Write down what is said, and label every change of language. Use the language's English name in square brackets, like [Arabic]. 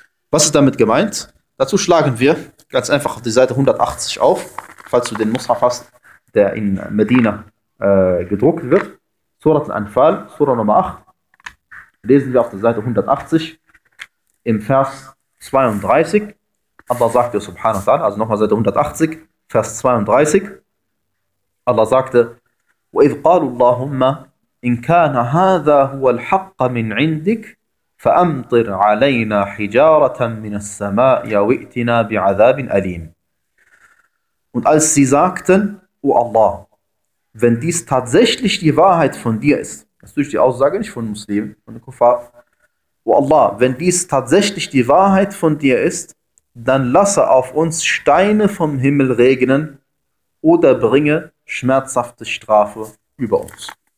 [German] Was ist damit gemeint? Dazu schlagen wir ganz einfach auf die Seite 180 auf, falls du den Mushaf hast, der in Medina gedruckt wird. Surat al-Anfal, Surah Nummer 8, lesen wir auf der Seite 180 im Vers 32. Allah sagte, subhanahu wa ta'ala, also nochmal Seite 180, Vers 32. Allah sagte, [Arabic] وَإِذْ قَالُوا اللَّهُمَّ إن كان هذا هو الحق من عندك فأمطر علينا حجارة من السماء وائتنا بعذاب أليم. [German] Und als sie sagten, O Allah, wenn dies tatsächlich die Wahrheit von dir ist, das durch die Aussage nicht von Muslimen, von den Kuffar, O Allah, wenn dies tatsächlich die Wahrheit von dir ist, dann lasse auf uns Steine vom Himmel regnen oder bringe schmerzhafte Strafe über uns.